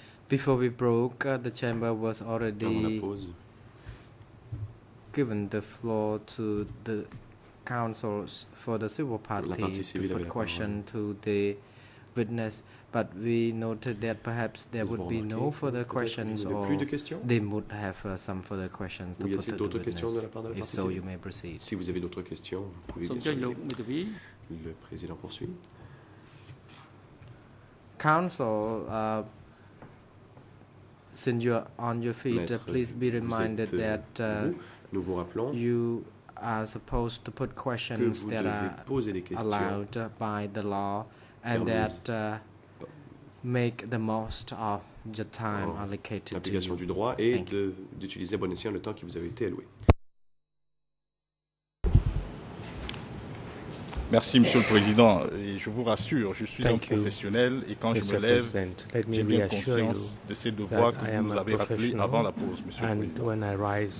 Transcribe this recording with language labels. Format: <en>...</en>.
<en>Before we broke, the chamber was already given the floor to the counsels for the civil party to put question to the witness. But we noted that perhaps there would be no further questions, or they would have some further questions to put to the witness. If so, you may proceed.</en> <fr>Si vous avez d'autres questions, vous pouvez le président poursuit.</fr> <en>Counsel, since you are on your feet, please be reminded that</en> <fr>nous vous rappelons</fr> <en>you are supposed to put questions that are allowed by the law and that make the most of the time allocated to you.</en> <fr>Du droit et d'utiliser bon escient le temps qui vous avait été alloué. Merci, Monsieur le Président. Et je vous rassure, je suis un professionnel et quand je me lève, j'ai bien conscience de ces devoirs que vous nous avez rappelés avant la pause, Monsieur le Président.</fr>